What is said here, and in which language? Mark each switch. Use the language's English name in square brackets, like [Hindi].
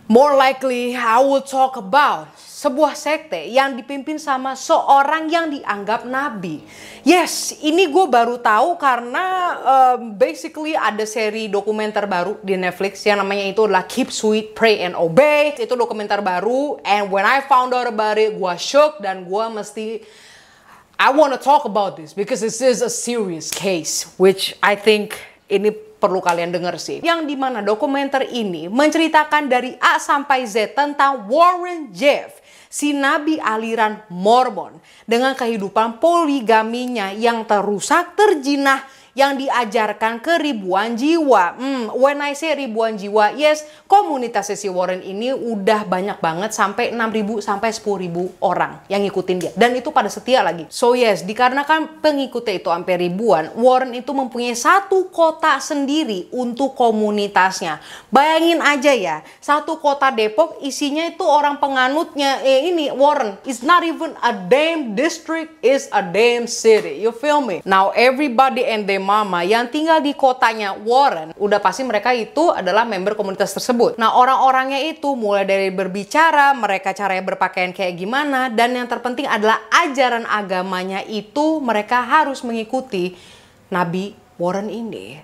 [English] More likely, I will talk about [Indonesian] sebuah sekte yang dipimpin sama seorang yang dianggap nabi. Yes, ini gue baru tahu karena basically ada seri dokumenter baru di Netflix yang namanya itu adalah Keep Sweet, Pray and Obey. Itu dokumenter baru, [English] and when I found out about it, [Indonesian] gue shook dan gue mesti, [English] I wanna talk about this because this is a serious case, which I think [Indonesian] ini perlu kalian dengar sih. Yang dimana dokumenter ini menceritakan dari A sampai Z tentang Warren Jeff, si nabi aliran Mormon, dengan kehidupan poligaminya yang terusak, terjinah, yang diajarkan ke ribuan jiwa. [English] When I say [Indonesian] ribuan jiwa, yes, komunitas si Warren ini udah banyak banget, sampai 6.000 sampai 10.000 orang yang ngikutin dia. Dan itu pada setia lagi. [English] So yes, [Indonesian] dikarenakan pengikutnya itu sampai ribuan, Warren itu mempunyai satu kota sendiri untuk komunitasnya. Bayangin aja ya, satu kota Depok isinya itu orang penganutnya. [English] Ini Warren, it's not even a damn district, it's a damn city. You feel me? Now everybody and their mama [Indonesian] yang tinggal di kotanya Warren, udah pasti mereka itu adalah member komunitas tersebut. Nah, orang-orangnya itu mulai dari berbicara, mereka caranya berpakaian kayak gimana, dan yang terpenting adalah ajaran agamanya itu mereka harus mengikuti Nabi Warren ini.